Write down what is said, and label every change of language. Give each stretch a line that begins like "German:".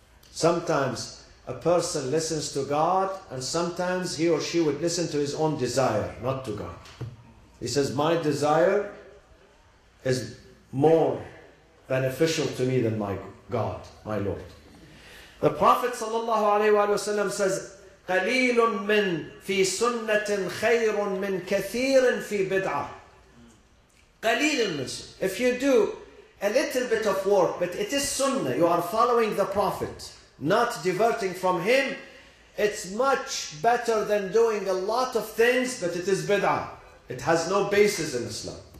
English: Sometimes a person listens to God, and sometimes he or she would listen to his own desire, not to God. He says, my desire is more beneficial to me than my God, my Lord. The Prophet ﷺ says,
Arabic: قَلِيلٌ مِّن فِي سُنَّةٍ خَيْرٌ مِّن كَثِيرٍ فِي بِدْعَةٍ. قَلِيلٌ مِّن سُنَّةٍ.
English: If you do a little bit of work, but it is sunnah, you are following the Prophet, not diverting from him, it's much better than doing a lot of things, but it is bid'ah. It has no basis in Islam.